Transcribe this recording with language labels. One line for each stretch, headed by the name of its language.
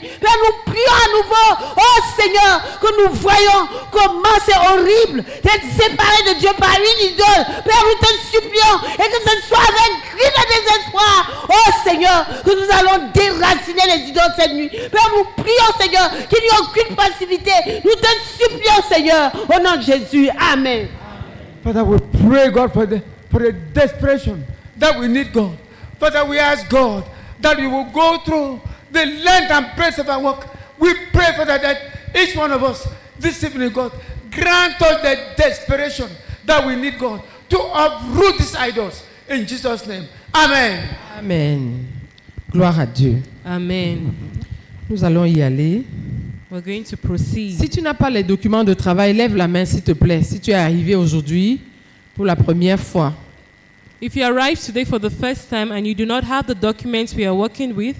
French: Mais nous prions à nouveau, oh Seigneur, que nous voyons comment c'est horrible d'être séparé de Dieu par une idole. Père, nous te supplions et que ce soit avec un cri de désespoir, oh Seigneur, que nous allons déraciner les idoles cette nuit. Père, nous prions, Seigneur, qu'il n'y ait aucune passivité. Nous te supplions, Seigneur, au nom de Jésus. Amen.
English: Father, we pray, God, for the desperation that we need, God. Father, we ask, God, that you will go through the length and breadth of our work. We pray, Father, that each one of us this evening, God, grant us the desperation that we need, God, to uproot these idols in Jesus' name. Amen.
French: Amen. Gloire à Dieu. Amen. Nous allons y aller.
English: We're going to proceed.
French: Si tu n'as pas les documents de travail, lève la main, s'il te plaît. Si tu es arrivé aujourd'hui pour la première fois.
English: If you arrive today for the first time and you do not have the documents we are working with,